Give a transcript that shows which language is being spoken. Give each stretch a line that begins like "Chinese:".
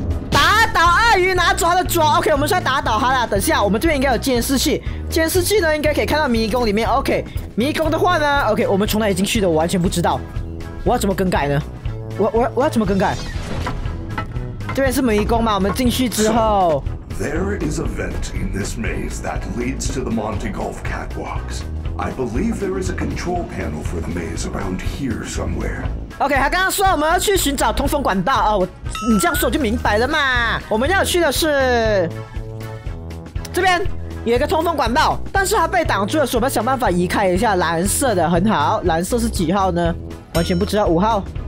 Chinese: 打倒鳄鱼，拿抓的抓， OK， 我们是要打倒它啦。等一下，我们这边应该有监视器，监视器呢应该可以看到迷宫里面， OK， 迷宫的话呢， OK， 我们从哪里进去的我完全不知道，我要怎么更改呢？我要怎么更改？这边是迷宫嘛，我们进去之后
English: There is a vent in this maze that leads to the Monte Golf catwalks. I believe there is a control panel for the maze around here somewhere.
Chinese: OK， 他刚刚说我们要去寻找通风管道啊、哦，你这样说我就明白了嘛。我们要去的是这边有一个通风管道，但是它被挡住了，所以我们想办法移开一下。蓝色的很好，蓝色是几号呢？完全不知道，五号。